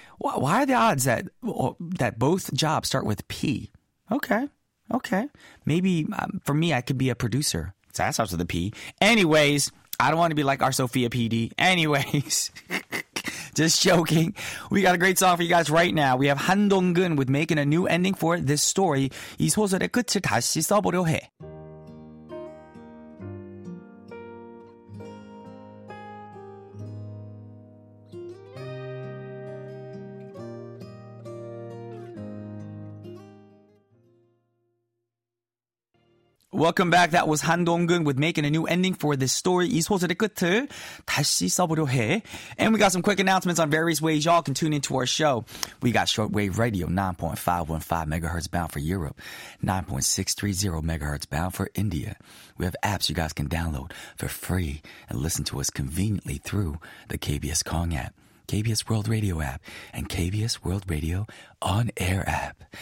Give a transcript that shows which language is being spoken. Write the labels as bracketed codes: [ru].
[en] Why are the odds that both jobs start with P? Okay. Maybe for me, I could be a producer. So that starts with a P. Anyways, I don't want to be like our Sophia PD. Anyways, just joking. We got a great song for you guys right now. We have Han Dong-gun with Making a New Ending for This Story. [ko] 이 소설의 끝을 다시 써보려 해. [en] Welcome back. That was Han Dong-gun with Making a New Ending for This Story. [ko] 이 소설의 끝을 다시 써보려 해. [en] And we got some quick announcements on various ways y'all can tune into our show. We got shortwave radio, 9.515 megahertz bound for Europe, 9.630 megahertz bound for India. We have apps you guys can download for free and listen to us conveniently through the KBS Kong app, KBS World Radio app, and KBS World Radio On Air app.